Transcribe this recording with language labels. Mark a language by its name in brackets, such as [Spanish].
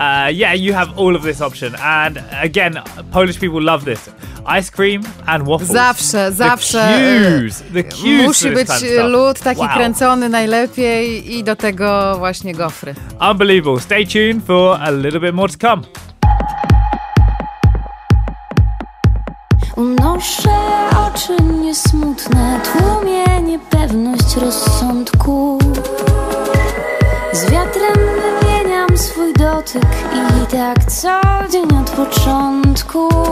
[English] Yeah, you have all of this option. And again, Polish people love this. Ice cream and waffles. [Polish] Zawsze, zawsze. [English] The queues. [Polish] Musi być lód taki kręcony najlepiej i do tego właśnie gofry. [English] Unbelievable. Stay tuned for a little bit more to come. [Polish] Unoszę oczy niesmutne, tłumię niepewność rozsądku. Z wiatrem wymieniam swój dotyk i tak co dzień od początku.